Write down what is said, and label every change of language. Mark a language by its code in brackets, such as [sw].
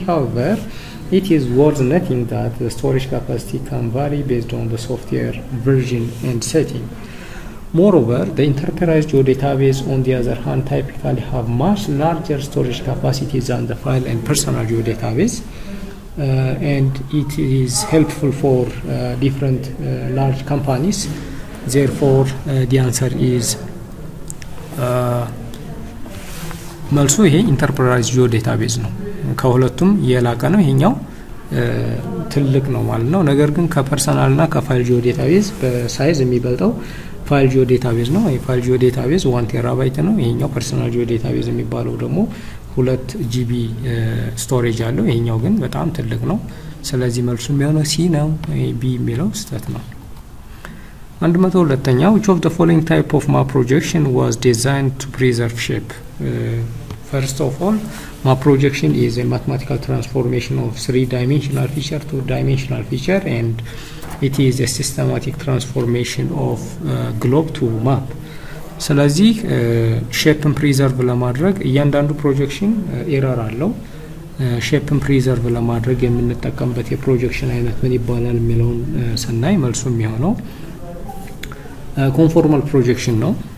[en] However, it is worth noting that the storage capacity can vary based on the software version and setting. Moreover, the enterprise geo database, on the other hand, typically have much larger storage capacity than the file and personal geo database. And it is helpful for different large companies. Therefore, the answer is [am] መልሱ ይሄ enterprise geo database ነው። ከሁለቱም የላቀ ነው ይሄኛው ትልቅ ነው ማለት ነው። ነገር ግን ከፐርሰናል እና ከፋይል geo database በሳይዝ የሚበልጠው ፋይል geo database ነው። የፋይል geo database 1 terabyte ነው። ይሄኛው personal geo database የሚባለው ደግሞ 2 GB storage አለው። ይሄኛው ግን በጣም ትልቅ ነው። ስለዚህ መልሱ የሚሆነው C ነው። B የሚለው ስህተት ነው። አንድ መቶ ሁለተኛ [en] which of the following type of map projection was designed to preserve shape? First of all, map projection is a mathematical transformation of three-dimensional feature to dimensional feature, and it is a systematic transformation of globe to map. [am] ስለዚህ ሼፕን ፕሪዘርቭ ለማድረግ እያንዳንዱ ፕሮጀክሽን ኤረር አለው። ሼፕን ፕሪዘርቭ ለማድረግ የምንጠቀምበት የፕሮጀክሽን አይነት ምን ይባላል የሚለውን ስናይ መልሱ የሚሆነው conformal projection ነው።